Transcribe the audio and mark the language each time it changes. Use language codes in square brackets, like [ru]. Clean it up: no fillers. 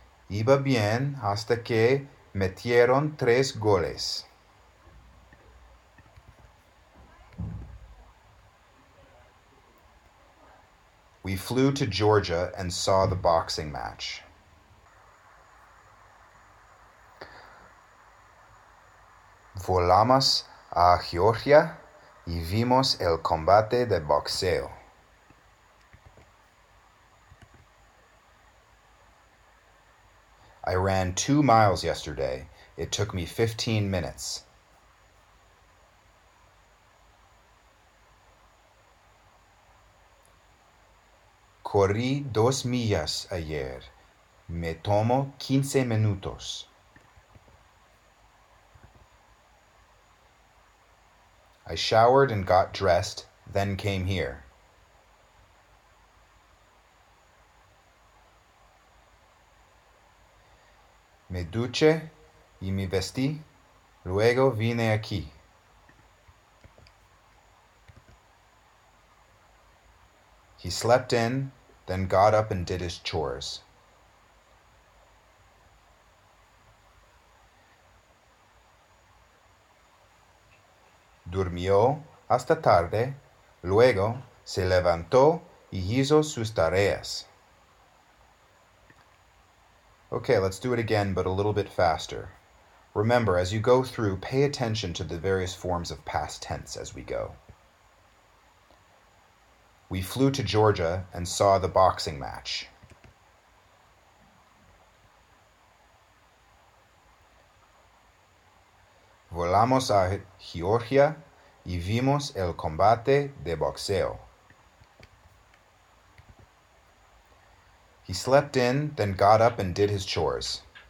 [es] Iba bien hasta que metieron 3 goles. [en] We flew to Georgia and saw the boxing match. [es] Volamos a Georgia y vimos el combate de boxeo. [en] I ran 2 miles yesterday. It took me 15 minutes. [es] Corrí 2 millas ayer. Me tomó 15 minutos. [en] I showered and got dressed, then came here. [es] Me duché y me vestí, luego vine aquí. [en] He slept in, then got up and did his chores. [es] Durmió hasta tarde, luego se levantó y hizo sus tareas. [en] Okay, let's do it again, but a little bit faster. Remember, as you go through, pay attention to the various forms of past tense as we go. We flew to Georgia and saw the boxing match. [es] Volamos a Georgia y vimos el combate de boxeo. [en] He slept in, then got up and did his chores.